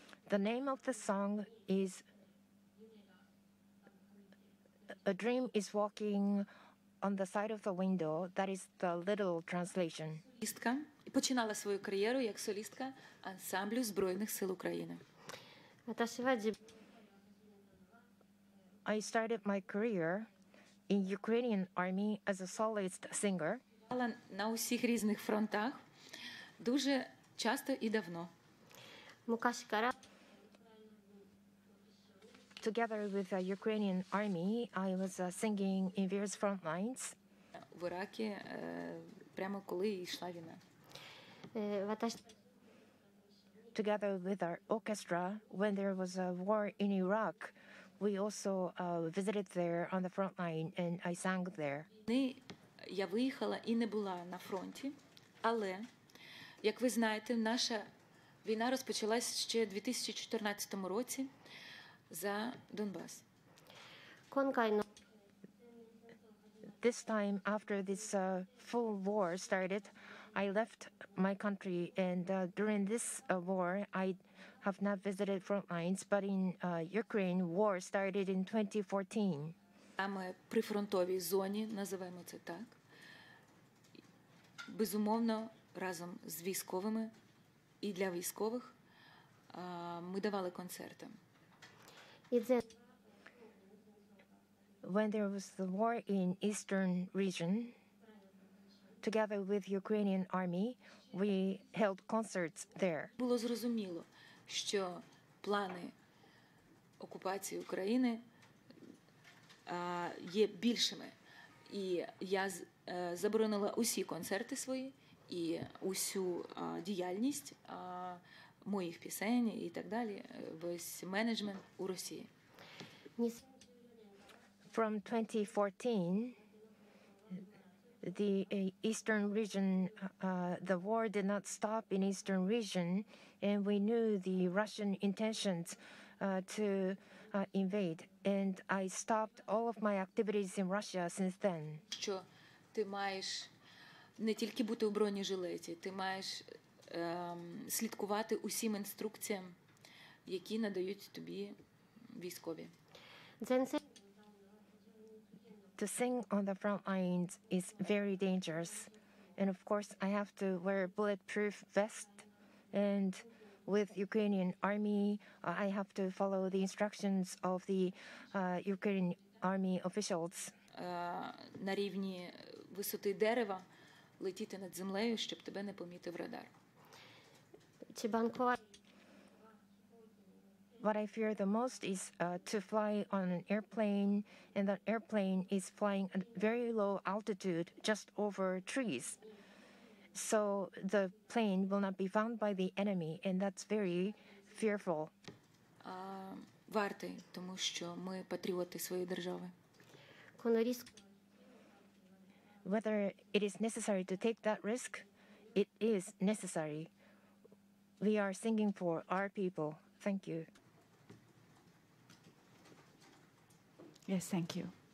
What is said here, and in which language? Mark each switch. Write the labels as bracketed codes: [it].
[en] The name of the song is A Dream is Walking on the Side of the Window. That is the literal translation. [uk] Солістка починала свою кар'єру як солістка ансамблю Збройних сил України. [en] I started my career in Ukrainian army as a soloist singer. [uk] На усіх різних фронтах дуже часто і давно. [en] Together with the Ukrainian army, I was singing in various front lines. [uk] В Іракі прямо коли йшла війна. [en] Together with our orchestra, when there was a war in Iraq, we also visited there on the front line and I sang there. [uk] Я виїхала і не була на фронті, але, як ви знаєте, наша війна розпочалась ще 2014 році за Донбас. [en] This time, after this full war started, I left my country, and during this war, I have not visited front lines, but in Ukraine, war started in 2014. [uk] Саме при фронтовій зоні, називаємо це так. Безумовно, разом з військовими і для військових ми давали концерти. [en] When there was the war in Eastern region, together with Ukrainian army, we held concerts there. [uk] Було зрозуміло, що плани окупації України є більшими, і я заборонила усі концерти свої і усю діяльність моїх пісень і так далі, весь менеджмент у Росії. [en] From 2014, the Eastern region, the war did not stop in Eastern region, and we knew the Russian intentions to invade, and I stopped all of my activities in Russia since then. [uk] Що ти маєш не тільки бути у бронежилеті, ти маєш слідкувати усім інструкціям, які надають тобі військові. [en] To sing on the front lines is very dangerous, and of course I have to wear a bulletproof vest, and with Ukrainian army I have to follow the instructions of the Ukrainian army officials. [uk] На рівні висоти дерева летіти над землею, щоб тебе не помітив радар. [en] What I fear the most is to fly on an airplane, and that airplane is flying at very low altitude, just over trees. So the plane will not be found by the enemy, and that's very fearful. [uk] Варте, тому що ми патріоти своєї держави. [en] Whether it is necessary to take that risk, it is necessary. We are singing for our people. Thank you. Yes, thank you.